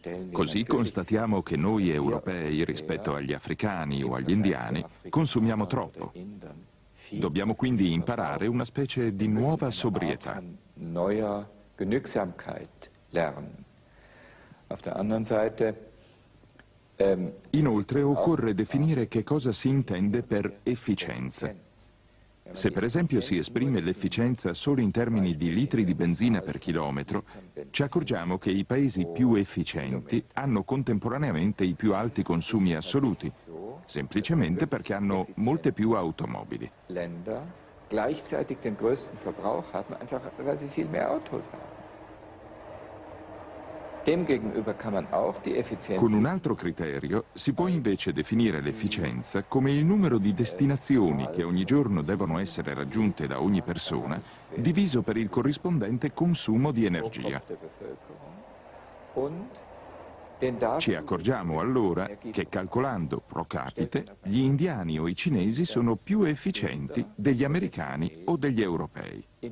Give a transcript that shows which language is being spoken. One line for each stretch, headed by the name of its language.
Italian: Così constatiamo che noi europei, rispetto agli africani o agli indiani, consumiamo troppo. Dobbiamo quindi imparare una specie di nuova sobrietà.
German: Genügsamkeit lernen. Auf der anderen Seite
Italian: Inoltre occorre definire che cosa si intende per efficienza. Se per esempio si esprime l'efficienza solo in termini di litri di benzina per chilometro, ci accorgiamo che i paesi più efficienti hanno contemporaneamente i più alti consumi assoluti, semplicemente perché hanno molte più automobili.
German: Gleichzeitig den größten Verbrauch haben, einfach weil sie viel mehr Autos haben. Demgegenüber kann man auch die Effizienz.
Italian: Con un altro criterio si può invece definire l'efficienza come il numero di destinazioni che ogni giorno devono essere raggiunte da ogni persona, diviso per il corrispondente consumo di energia. Ci accorgiamo allora che calcolando pro capite, gli indiani o i cinesi sono più efficienti degli americani o degli europei.